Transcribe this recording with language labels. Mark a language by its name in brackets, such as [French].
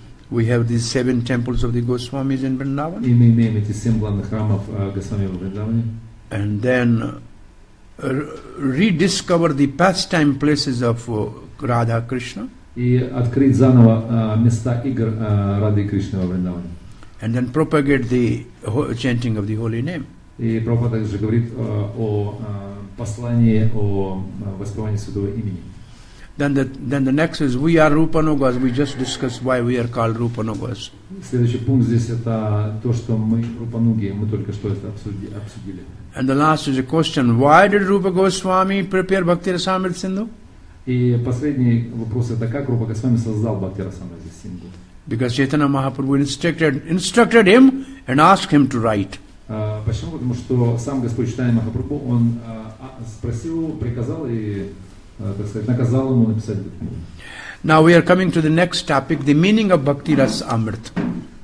[English] We have these seven temples of the Goswamis in Vrindavan. [Russian] И мы имеем эти семь главных храмов Госвами в Вриндаване. [English] And then rediscover the pastime places of Radha Krishna. [Russian] И открыть заново места игр Рады Кришны во Вриндаване. [English] And then propagate the chanting of the holy name. [Russian] И Прабхупада также говорит о послании о воспевании Святого имени. [English] Then the next is we are Rupa Nogas. We just discussed why we are called Rupa Nogas. [Russian] Следующий пункт здесь это то, что мы Rupa Nogi. Мы только что это обсудили. [English] And the last is a question: why did Rupa Goswami prepare Bhakti Rasamrita Sindhu? [Russian] И последний вопрос это как Rupa Goswami создал Bhakti Rasamrita Sindhu? [English] Because Chaitanya Mahaprabhu instructed him and asked him to write. [Russian] Почему? Потому что сам Господь Чайтанья Махапрабху он спросил, приказал и [English] Now we are coming to the next topic, the meaning of Bhakti Rasamrita.